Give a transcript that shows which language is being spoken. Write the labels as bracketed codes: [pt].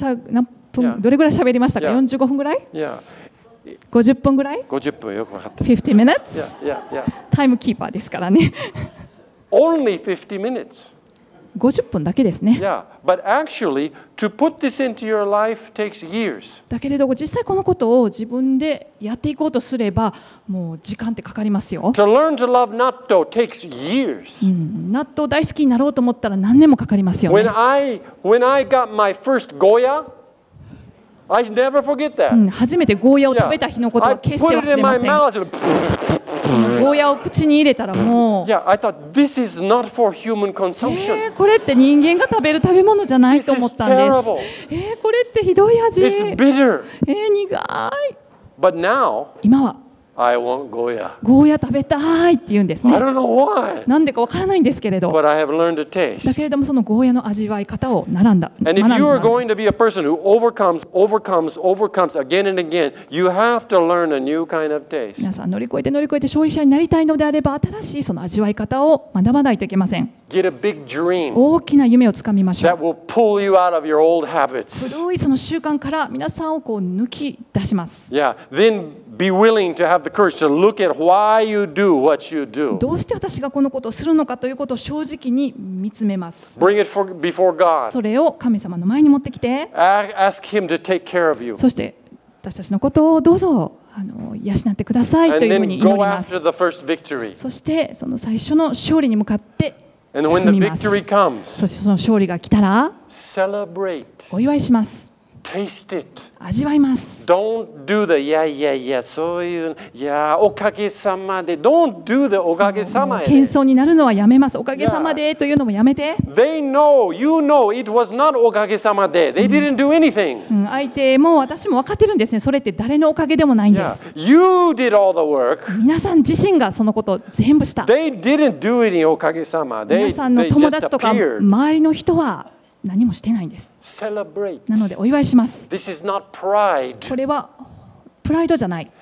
[ja] 何分、どれぐらい喋りましたか？45分ぐらい？ [en] Yeah. [ja] 50分ぐらい 50分よく分かった [en] 50 minutes yeah, yeah, yeah. [ja] タイムキーパーですからね [en] Only 50 minutes [ja] 50分だけですね [en] Yeah, but actually to put this into your life takes years [ja] だけれど実際このことを自分でやっていこうとすればもう時間ってかかりますよ [en] To learn to love natto takes years、 [ja] うん、納豆大好きになろうと思ったら何年もかかりますよね [en] When I got my first goyaI never forget that. [ja] うん、初めてゴーヤを食べた日のことは決して忘れません。ゴーヤを口に入れたらもう。 [en] Yeah, I thought this is not for human consumption. [ja] これって人間が食べる食べ物じゃないと思ったんです。これってひどい味。 [en] It's bitter. [ja] 苦い。 [en] But now, [ja] 今は。 [en] I want goya. [ja] ゴーヤ食べたいって言うんですね。 [en] I don't know why. [ja] なんでかわからないんですけれど。 [en] But I have learned to taste. [ja] だけれどもそのゴーヤの味わい方を並んだ。 [en] And if [ja] 学んだんです。 [en] you are going to be a person who overcomes again and again, you have to learn a new kind of taste. [ja] 皆さん乗り越えて乗り越えて勝利者になりたいのであれば新しいその味わい方を学ばないといけません。 [en] Get a big dream. [ja] 大きな夢をつかみましょう。 [en] That will pull you out of your old habits. [ja] 古いその習慣から皆さんをこう抜き出します。 [en] Yeah. Then be willing to have the courage to look at why you do what you do. [ja] どうして私がこのことをするのかということを正直に見つめます。 [en] Bring it before God. [ja] それを神様の前に持ってきて。 [en] Ask him to take care of you. [ja] そして私たちのことをどうぞ。養ってくださいというふうに祈ります。 [en] And then go after the first victory. [ja] そしてその最初の勝利に向かって。 [en] And when the victory comes, [ja] そしてその勝利が来たら、 [en] celebrate. [ja] お祝いします。 [en] Taste it. [ja] 味わいます。 [en] Don't do the yeah yeah yeah [ja] そういう [en] yeah [ja] おかげさまで [en] Don't do the おかげさまで。 [ja] 謙遜になるのはやめます。おかげさまでというのもやめて。 [en] Yeah. They know, you know, it was not [ja] おかげさまで [en] They didn't do anything. [ja] 相手も私も分かってるんですね。それって誰のおかげでもないんです。 [en] Yeah. You did all the work. [ja] 皆さん自身がそのことを全部した。 [en] They didn't do any [ja] おかげさま皆さんの友達とか周りの人は。何もしてないんです。 [en] Celebrate. [ja] なのでお祝いします。 [en] This is not pride. [ja] これはプライドじゃない。